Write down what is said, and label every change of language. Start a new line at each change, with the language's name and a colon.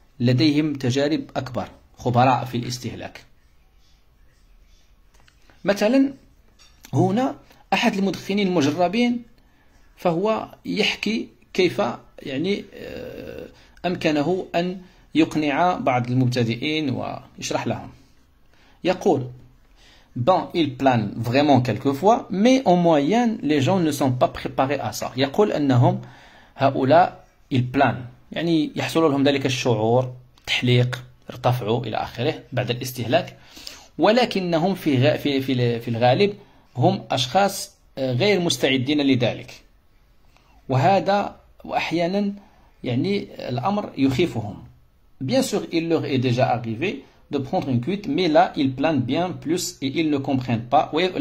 Arabic: لديهم تجارب أكبر، خبراء في الاستهلاك. مثلا هنا أحد المدخنين المجربين فهو يحكي كيف يعني أمكنه أن يقنع بعض المبتدئين ويشرح لهم. يقول:
French: Bon, il plane vraiment quelquefois, mais en moyenne, les gens ne sont pas préparés à ça.
Arabic: يقول أنهم هؤلاء
French: il plane.
Arabic: يعني يحصل لهم ذلك الشعور، تحليق، ارتفعوا إلى آخره بعد الاستهلاك. ولكنهم في الغالب هم أشخاص غير مستعدين لذلك. وهذا وأحيانا يعني الأمر يخيفهم.
French: Bien sûr, il leur est déjà arrivé de prendre une cuite, mais là, ils planent bien plus et ils ne comprennent pas.